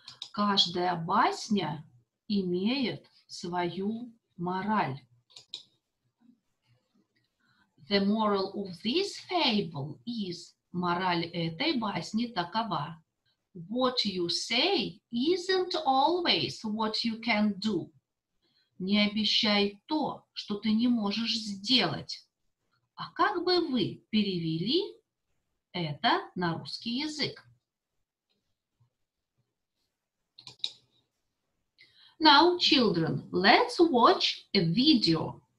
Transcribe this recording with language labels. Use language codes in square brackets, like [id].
[ru] Каждая басня имеет свою мораль. [en] The moral of this fable is... [ru] Мораль этой басни такова. [en] What you say isn't always what you can do. [ru] Не обещай то, что ты не можешь сделать. А как бы вы перевели это на русский язык? [en] Now, children, let's watch a video.